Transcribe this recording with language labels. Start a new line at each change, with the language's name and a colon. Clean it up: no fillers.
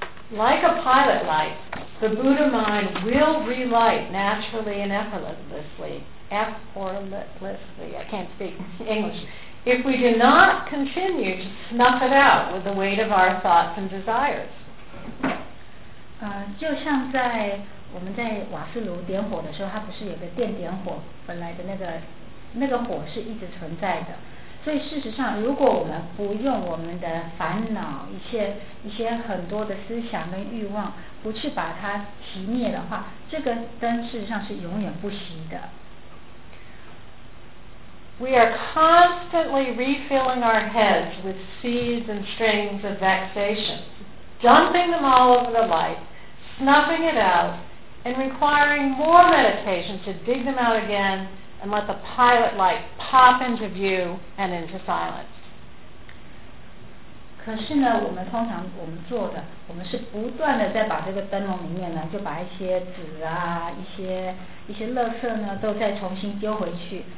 English: Like a pilot light, the Buddha mind will relight naturally and effortlessly. If we do not continue to snuff it out with the weight of our thoughts and desires.
Chinese: 就像在我们在瓦斯炉点火的时候，它不是有个电点火，本来的那个火是一直存在的。所以事实上，如果我们不用我们的烦恼，一些很多的思想跟欲望，不去把它熄灭的话，这个灯事实上是永远不熄的。
English: We are constantly refilling our heads with seeds and strings of vexation, dumping them all over the light, snuffing it out, and requiring more meditation to dig them out again and let the pilot light pop into view and into silence.
Chinese: 可是呢，我们通常我们做的，我们是不断的在把这个灯笼里面呢，就把一些纸啊，一些垃圾呢，都再重新丢回去。